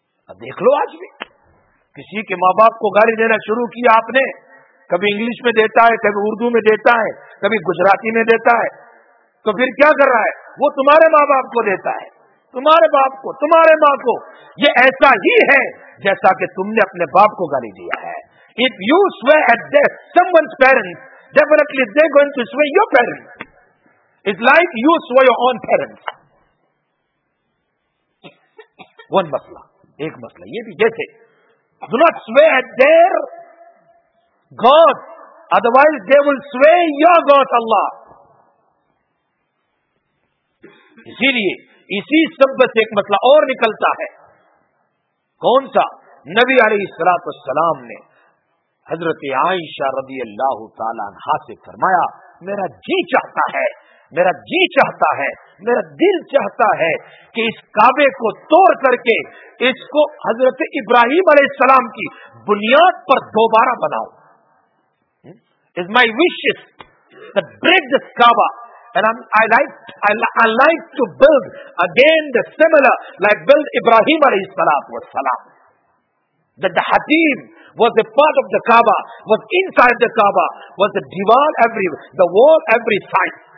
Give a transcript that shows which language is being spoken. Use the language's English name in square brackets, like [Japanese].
[Urdu] اب دیکھ لو آج بھی کسی کے ماں باپ کو گالی دینا شروع کیا آپ نے, کبھی انگلش میں دیتا ہے, کبھی اردو میں دیتا ہے, کبھی گجراتی میں دیتا ہے, تو پھر کیا کر رہا ہے؟ وہ تمہارے ماں باپ کو دیتا ہے, تمہارے باپ کو, تمہارے ماں کو. یہ ایسا ہی ہے جیسا کہ تم نے اپنے باپ کو گالی دیا ہے. [English] If you swear at death someone's parents, definitely they're going to swear your parents. It's like you swear your own parents. One [Urdu] مسئلہ, ایک مسئلہ یہ بھی, جیسے [English] do not swear at their God, otherwise they will swear your God Allah. [Urdu] اسی لیے اسی سب سے ایک مسئلہ اور نکلتا ہے. کون سا؟ نبی علیہ الصلوۃ والسلام نے حضرت عائشہ رضی اللہ تعالی عنہا سے فرمایا, میرا جی چاہتا ہے, میرا جی چاہتا ہے, میرا دل چاہتا ہے کہ اس کعبے کو توڑ کر کے اس کو حضرت ابراہیم علیہ السلام کی بنیاد پر دوبارہ بناؤں. [English] It's my wishes to break this Kaaba. And I like to build again the similar like build Ibrahim alayhi salatu was salam. That the Hatim was a part of the Kaaba, was inside the Kaaba, was the diwal every, the wall every side.